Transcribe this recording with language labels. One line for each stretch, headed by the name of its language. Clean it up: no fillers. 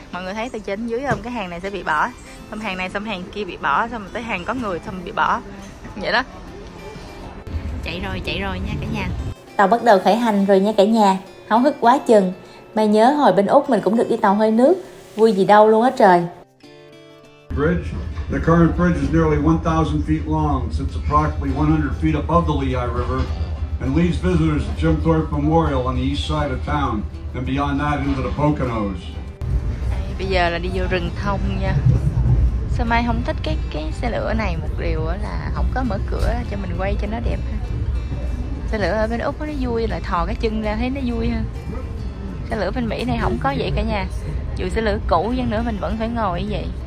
Vietnamese: Mọi người thấy từ trên dưới không, cái hàng này sẽ bị bỏ, xong hàng này xong hàng kia bị bỏ, xong tới hàng có người xong bị bỏ vậy đó. Chạy rồi nha cả nhà, tàu bắt đầu khởi hành rồi nha cả nhà, háo hức quá chừng. Mày nhớ hồi bên Úc mình cũng được đi tàu hơi nước, vui gì đâu luôn á trời.
English: Bridge. The current bridge is nearly 1,000 feet long, sits approximately 100 feet above the Lehigh River, and leads visitors to Jim Thorpe Memorial on the east side of town, and beyond that into the Poconos.
Vietnamese: Bây giờ là đi vô rừng thông nha. Sao Mai không thích cái xe lửa này, một điều là không có mở cửa cho mình quay cho nó đẹp ha. Xe lửa ở bên Úc nó vui, lại thò cái chân ra thấy nó vui ha. Xe lửa bên Mỹ này không có vậy cả nhà. Dù xe lửa cũ hơn nữa mình vẫn phải ngồi như vậy.